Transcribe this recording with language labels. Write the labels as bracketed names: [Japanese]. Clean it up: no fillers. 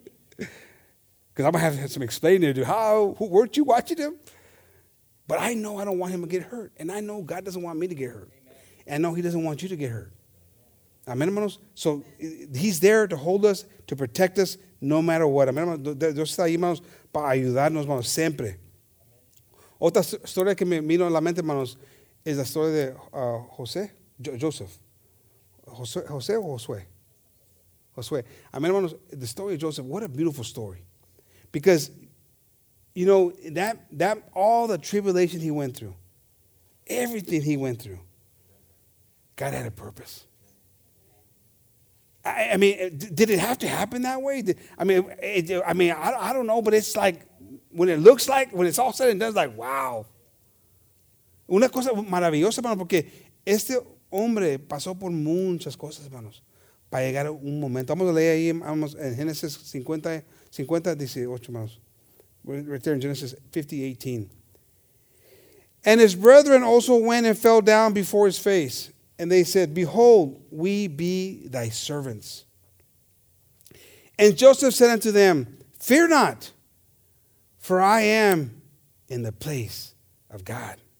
[English] Because I'm going to have some explaining to do. Weren't you watching him? But I know I don't want him to get hurt. And I know God doesn't want me to get hurt. Amen. And I know he doesn't want you to get hurt. Amen, hermanos? So he's there to hold us, to protect us, no matter what. Amen, hermanos? [Spanish] Dios está ahí, hermanos, para ayudarnos, hermanos, siempre. Otra historia que me vino a la mente, hermanos, es la historia de Joseph. José o Josué? Josué. [English] Amen, hermanos, the story of Joseph, what a beautiful story. Because, you know, that all the tribulation he went through, everything he went through, God had a purpose. I mean, did it have to happen that way? I don't know, but it's like, when it looks like, when it's all said and done, it's like, wow. [Spanish] Una cosa maravillosa, hermano, porque este hombre pasó por muchas cosas, hermanos, para llegar a un momento. Vamos a leer ahí, vamos, en Génesis 50:18, hermanos. [English] Right there in Genesis 50:18. And his brethren also went and fell down before his face. And they said, behold, we be thy servants. And Joseph said unto them, fear not, for I am in the place of God.